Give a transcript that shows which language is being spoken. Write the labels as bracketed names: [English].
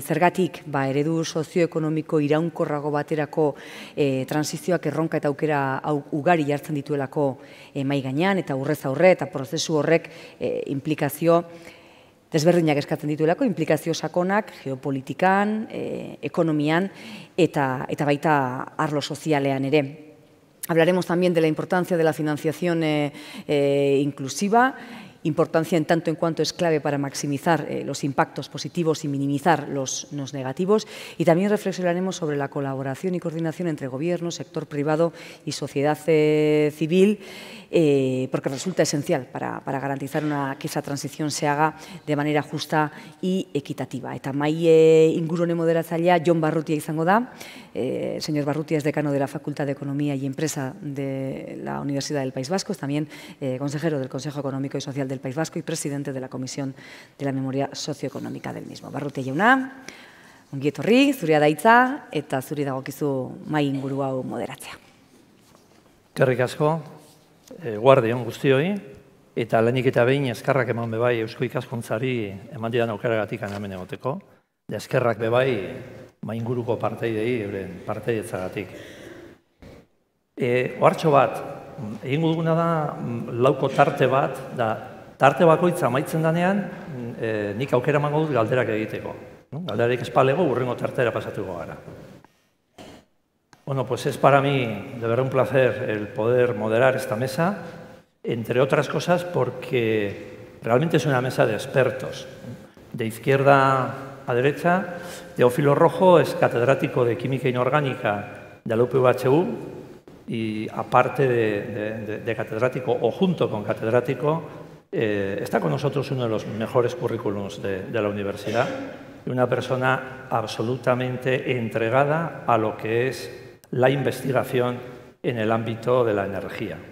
[Basque] Zergatik, ba, eredu sozioekonomiko iraunkorrago baterako transizioak erronka eta aukera ugari jartzen dituelako mai gainean, eta urrez aurre, eta prozesu horrek implikazio desberdinak eskatzen dituelako, implikazio sakonak, geopolitikan, ekonomian, eta baita arlo sozialean ere. [Spanish] Hablaremos también de la importancia de la financiación inclusiva, importancia en tanto en cuanto es clave para maximizar los impactos positivos y minimizar los negativos. Y también reflexionaremos sobre la colaboración y coordinación entre gobierno, sector privado y sociedad civil, porque resulta esencial para garantizar que esa transición se haga de manera justa y equitativa. [Basque] Eta mai ingurune moderatzailea Jon Barrutia izango da. [Spanish] Señor Barrutia es decano de la Facultad de Economía y Empresa de la Universidad del País Vasco, es también consejero del Consejo Económico y Social del País Vasco y presidente de la Comisión de la Memoria Socioeconómica del mismo. [Basque] Barrutia jauna, ongi etorri, zuria da hitza, eta zuri dagokizu mai inguru hau moderatzea. Eskerrik asko. Guardion guztioi, eta lehenik eta behin eskerrak eman bebai Eusko Ikaskuntzari eman didan aukeragatik hemen egoteko, eta eskerrak bebai mainguruko parteidei euren parteidetzagatik. Ohartxo bat, egingo duguna da lauko tarte bat, da tarte bakoitza amaitzen danean nik aukera emango dut galderak egiteko. Galderarik ez palego, urrengo tartera pasatuko gara. [Spanish] Bueno, pues es para mí de verdad un placer el poder moderar esta mesa, entre otras cosas porque realmente es una mesa de expertos. De izquierda a derecha, Teófilo Rojo es catedrático de Química Inorgánica de la UPVHU y aparte de catedrático o junto con catedrático, está con nosotros uno de los mejores currículums de la universidad y una persona absolutamente entregada a lo que es la investigación en el ámbito de la energía.